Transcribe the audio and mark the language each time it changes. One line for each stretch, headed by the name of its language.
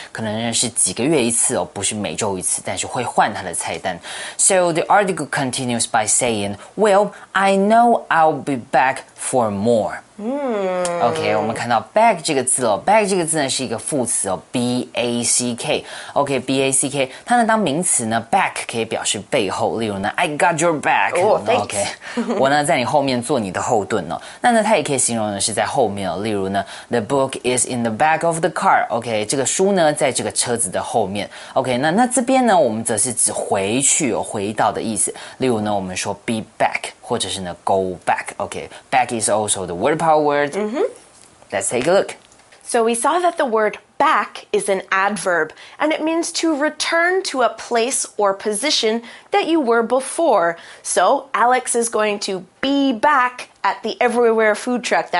Chinese: 可能是几个月一次哦不是每周一次但是会换它的菜单。
English: So the article continues by saying, well, I know I'll be back for more.
Chinese: OK, 我们看到 back 这个字哦 ,back 这个字呢是一个副词哦 ,B-A-C-K。 OK, B-A-C-K, 它呢当名词呢 ,back 可以表示背后例如呢 ,
English: I got your back,、 OK,
Chinese: 我呢在你后面做你的后盾哦。那呢它也可以形容呢是在后面哦例如呢 ,
English: the book is in the back of the car,
Chinese: OK, 这个书呢在这个车子的后面。 OK, 那这边呢我们则是指回去哦回到的意思。例如呢我们说 be back。或者是呢 go back.
English: Okay, back is also the word power word. Mm-hmm. Let's take a look. So we saw that the word back is an adverb, and it means to return to a place or position that you were before. So Alex is going to be back at the everywhere food truck.